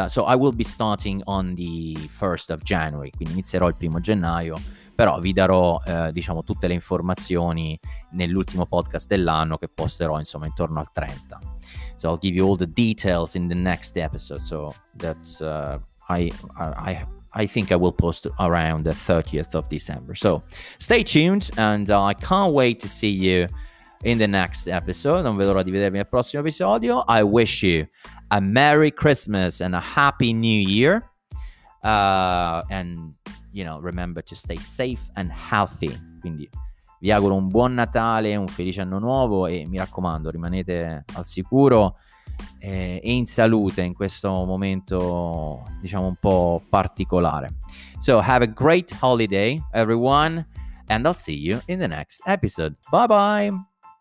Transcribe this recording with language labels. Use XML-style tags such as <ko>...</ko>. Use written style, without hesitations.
<en>So I will be starting on the 1st of January,</en> <it>quindi inizierò il 1 gennaio, però vi darò diciamo tutte le informazioni nell'ultimo podcast dell'anno, che posterò insomma intorno al 30.</it> <en>So I'll give you all the details in the next episode, so that's I think I will post around the 30th of December. So stay tuned, and I can't wait to see you in the next episode.</en> <it>Non vedo l'ora di vedervi nel prossimo episodio.</it> <en>I wish you a Merry Christmas and a Happy New Year. And, you know, remember to stay safe and healthy.</en> <it>Quindi vi auguro un buon Natale, un felice anno nuovo, e mi raccomando, rimanete al sicuro e in salute in questo momento, diciamo, un po' particolare.</it> <en>So have a great holiday, everyone, and I'll see you in the next episode. Bye bye.</en>